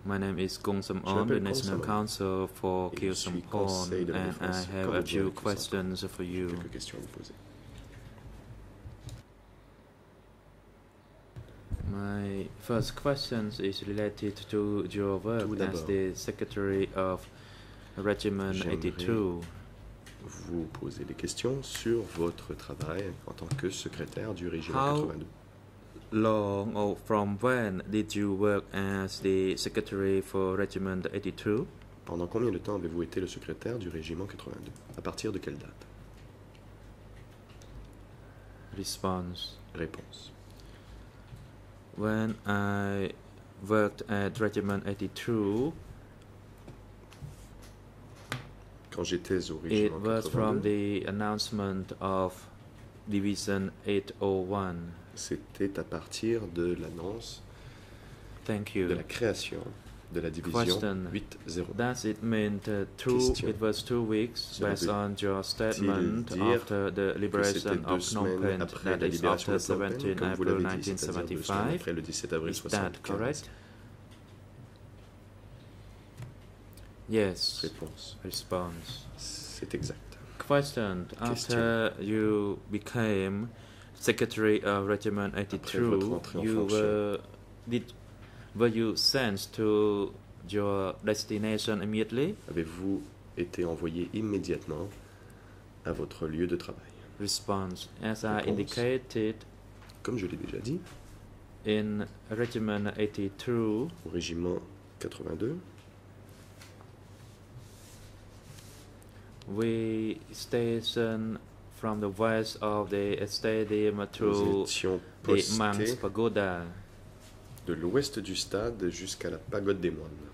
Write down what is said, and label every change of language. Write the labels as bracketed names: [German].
[English] My name is Kong Sam-on, the National Counsel for Kyu Sampong, and I have a few questions for you. My first question is related to your work as the Secretary of Regiment 82. [French] Vous posez des questions sur votre travail en tant que secrétaire du régiment 82. [English] Long or from when did you work as the secretary for Regiment 82? [French] Pendant combien de temps avez-vous été le secrétaire du régiment 82? À partir de quelle date? Réponse. [English] When I worked at Regiment 82, [French] quand j'étais au régiment 82, [English] it was from the announcement of Division 801. [French] C'était à partir de l'annonce de la création de la division Question. 8-0. [English] Does it mean it was 2 weeks based on your statement after the liberation of Phnom Penh, that is after 17 April 1975? Is that correct? Yes. [French] Réponse. C'est exact. Question. [English] After you became Secretary of Regiment 82, were you sent to your destination immediately? [French] Avez-vous été envoyé immédiatement à votre lieu de travail? [English] Response. I indicated, [French] comme je l'ai déjà dit, [English] in Regiment 82, [French] au régiment 82, [English] we stationed from the west of the stadium to the Monks Pagoda. [French] De l'ouest du stade jusqu'à la pagode des moines.